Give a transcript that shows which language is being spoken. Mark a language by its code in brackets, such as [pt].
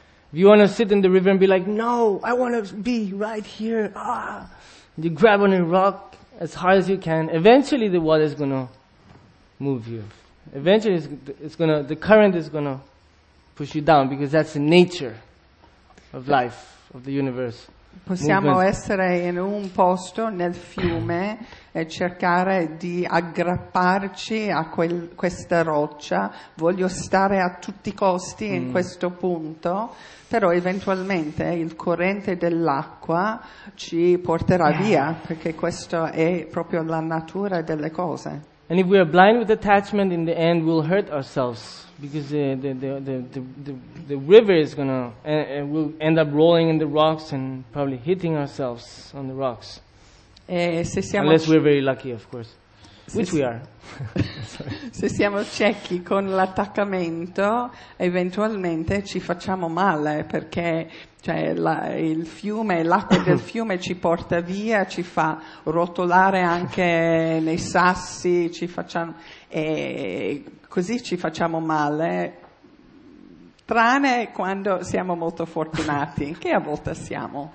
[en] If you want to sit in the river and be like, no, I want to be right here. You grab on a rock as hard as you can. Eventually the water is going to move you. Eventually the current is going to push you down because that's the nature of life, of the universe. [it] Possiamo essere in un posto nel fiume e cercare di aggrapparci a questa roccia. Voglio stare a tutti i costi in questo punto, però eventualmente il corrente dell'acqua ci porterà via, perché questa è proprio la natura delle cose. [en] And if we are blind with attachment, in the end we'll hurt ourselves, because the river is going to we'll end up rolling in the rocks and probably hitting ourselves on the rocks. Unless we're very lucky, of course. Which we are. [it] Se siamo ciechi con l'attaccamento, eventualmente ci facciamo male, perché cioè il fiume, l'acqua del fiume ci porta via, ci fa rotolare anche nei sassi, ci facciamo e così ci facciamo male, tranne quando siamo molto fortunati, che a volte siamo.